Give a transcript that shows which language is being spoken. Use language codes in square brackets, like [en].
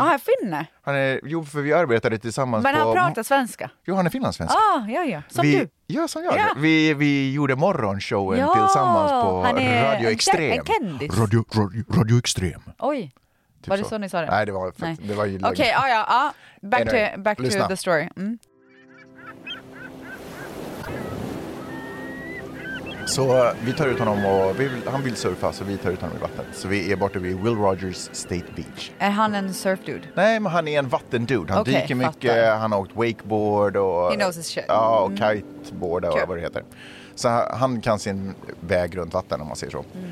[sv] han är finne. Han är, jo, för vi arbetade tillsammans. Men på, han pratar svenska. Jo, han är finlandssvensk. Ja. Som vi, du. Ja, som jag. Ja. Vi gjorde morgonshowen tillsammans på Radio Extrem. En kändis. Radio Extrem. Oj. Typ var det så ni sa det? Nej, det var för, det var ju [en] okej, okay, back to the story. Mm. [sv] Så vi tar ut honom och han vill surfa, så vi tar ut honom i vattnet. Så vi är borta vid Will Rogers State Beach. Är han en surf dude? Nej, men han är en vattendude. Han dyker mycket, han har åkt wakeboard och [en] he knows his shit. [sv] Ja, och kiteboard och vad det heter. Så han kan sin väg runt vatten, om man säger så.